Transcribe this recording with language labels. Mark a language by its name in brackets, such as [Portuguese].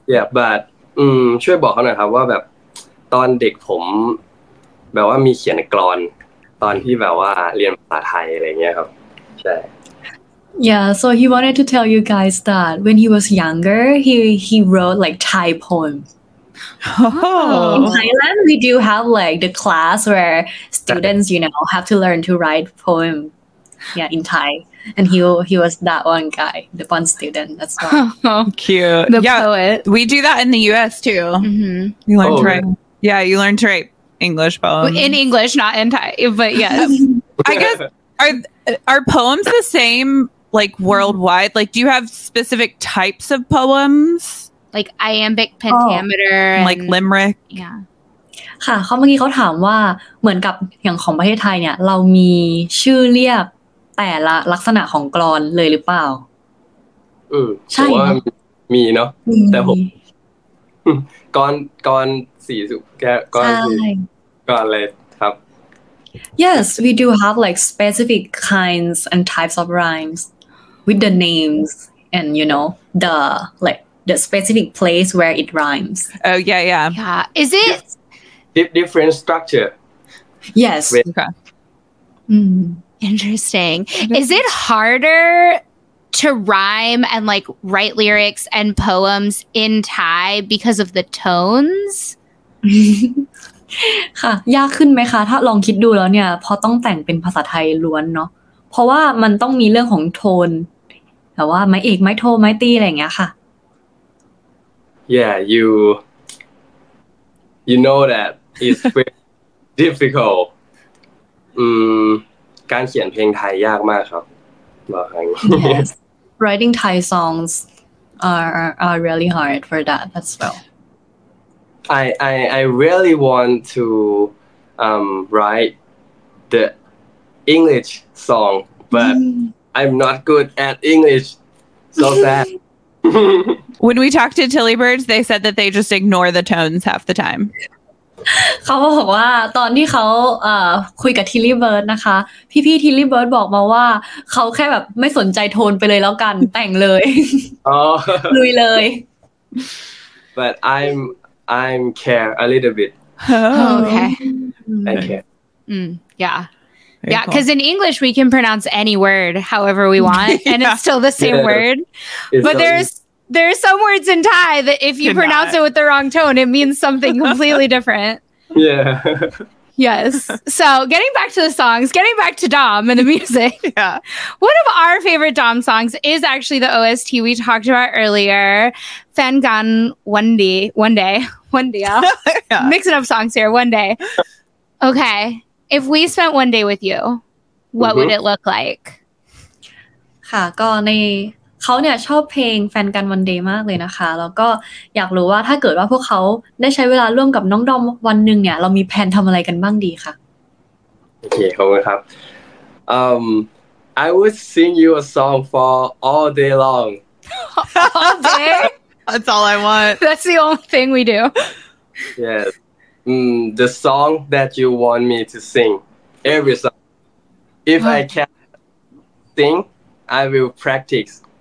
[English] Yeah, but [Thai] ช่วยบอกเขาหน่อยครับว่าแบบตอนเด็กผมแบบว่ามีเขียนกลอนตอนที่แบบว่าเรียนภาษาไทยอะไรเงี้ยครับใช่ [English] Yeah so he wanted to tell you guys that when he was younger he wrote like Thai poems In Thailand we do have like the class where students you know have to learn to write poem yeah in Thai and he was that one guy the one student that's why Oh cute the poet we do that in the US too Mm-hmm. you learn to write yeah you learn to write English poems. In English, not in Thai, but yes. I guess, are poems the same, like, worldwide? Like, do you have specific types of poems? Like, iambic pentameter. Oh. And, like, limerick? Yeah. [Thai] ค่ะเขาเมื่อกี้เขาถามว่าเหมือนกับอย่างของประเทศไทยเนี่ยเรามีชื่อเรียกแต่ละลักษณะของกลอนเลยหรือเปล่า เออใช่ว่า มีเนาะแต่ผมกลอนกลอนสี่สุแกกลอนสี่กลอนอะไรครับ [English] Yes we do have like specific kinds and types of rhymes with the names and you know the like the specific place where it rhymes oh yeah yeah yeah is it yes. Different structure. Yes. Okay. Interesting. Is it harder to rhyme and like write lyrics and poems in Thai because of the tones? [Thai] ค่ะยากขึ้นไหมคะถ้าลองคิดดูแล้วเนี่ยพอต้องแต่งเป็นภาษาไทยล้วนเนาะเพราะว่ามันต้องมีเรื่องของโทนแต่ว่าไม้เอกไม้โทไม้ตีอะไรอย่างเงี้ยค่ะ [English] Yeah, you. You know that it's very difficult. [Thai] การเขียนเพลงไทยยากมากครับบอกให้ [English] Yes. Writing Thai songs are really hard for that as well. I really want to write the English song, but I'm not good at English. So sad. When we talked to Tilly Birds, they said that they just ignore the tones half the time. [Thai] เขาบอกว่าตอนที่เขาคุยกับ Tilly Birds นะคะพี่ๆ Tilly Birds บอกมาว่าเขาแค่แบบไม่สนใจโทนไปเลยแล้วกันแต่งเลยลุยเลย [English] But I'm care a little bit. Okay. I care. Yeah. Very yeah, because cool. In English we can pronounce any word however we want, and yeah. It's still the same yeah. word. It's but there's some words in Thai that if you pronounce it with the wrong tone, it means something completely different. Yeah. Yes. So getting back to the songs, getting back to Dom and the music. Yeah. One of our favorite Dom songs is actually the OST we talked about earlier, Fan Gan One Day. Yeah. Mixing up songs here. One Day. Okay. If we spent one day with you, what would it look like? [Thai] ค่ะก็ในเขาเนี่ยชอบเพลงแฟนกันวันเดย์มากเลยนะคะแล้วก็อยากรู้ว่าถ้าเกิดว่าพวกเขาได้ใช้เวลาร่วมกับน้องดอมวันหนึ่งเนี่ยเรามีแผนทำอะไรกันบ้างดีคะ โอเคขอบคุณครับ [English] I would sing you a song for all day long all day that's all I want that's the only thing we do yesthe song that you want me to sing every song if I can sing I will practice